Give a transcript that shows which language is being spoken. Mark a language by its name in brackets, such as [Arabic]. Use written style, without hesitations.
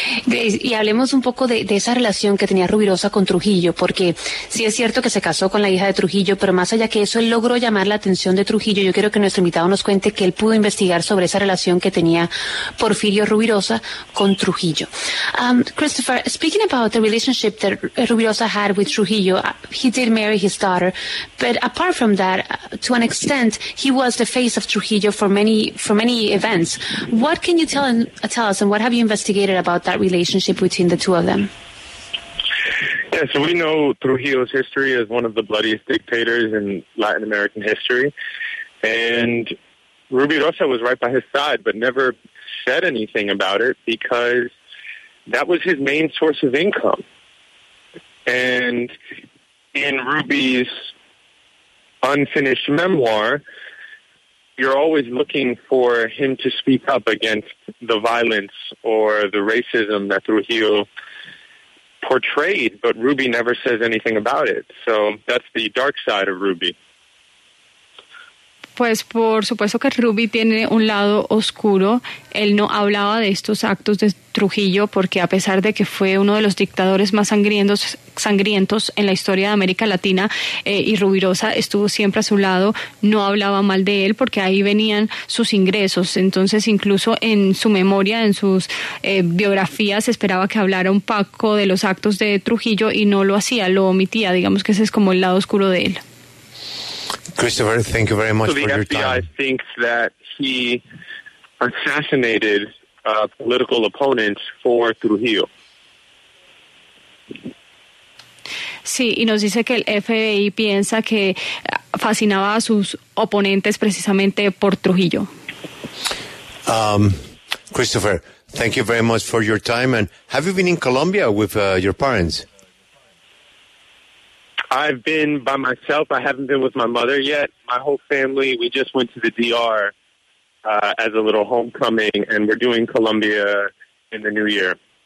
[Spanish] Y hablemos un poco de esa relación que tenía Rubirosa con Trujillo, porque sí es cierto que se casó con la hija de Trujillo, pero más allá que eso, él logró llamar la atención de Trujillo. Yo quiero que nuestro invitado nos cuente que él pudo investigar sobre esa relación que tenía Porfirio Rubirosa con Trujillo. [English] Christopher, speaking about the relationship that Rubirosa had with Trujillo, he did marry his daughter, but apart from that, to an extent, he was the face of Trujillo for many events. What can you tell us and what have you investigated about that relationship between the two of them? Yeah, so we know Trujillo's history as one of the bloodiest dictators in Latin American history. And Ruby Rosa was right by his side, but never said anything about it because that was his main source of income. And in Ruby's unfinished memoir, you're always looking for him to speak up against the violence or the racism that Trujillo portrayed, but Ruby never says anything about it. So that's the dark side of Ruby. [Spanish] Pues por supuesto que Ruby tiene un lado oscuro. Él no hablaba de estos actos de Trujillo porque a pesar de que fue uno de los dictadores más sangrientos en la historia de América Latina y Rubirosa estuvo siempre a su lado, no hablaba mal de él porque ahí venían sus ingresos. Entonces incluso en su memoria, en sus biografías, esperaba que hablara un poco de los actos de Trujillo y no lo hacía, lo omitía. Digamos que ese es como el lado oscuro de él. [English] Christopher, thank you very much for your time. So the FBI thinks that he assassinated political opponents for Trujillo. [Spanish] Sí, y nos dice que el FBI piensa que fascinaba a sus oponentes precisamente por Trujillo. [English] Christopher, thank you very much for your time. And have you been in Colombia with your parents? I've been by myself. I haven't been with my mother yet. My whole family, we just went to the DR as a little homecoming, and we're doing Colombia in the new year.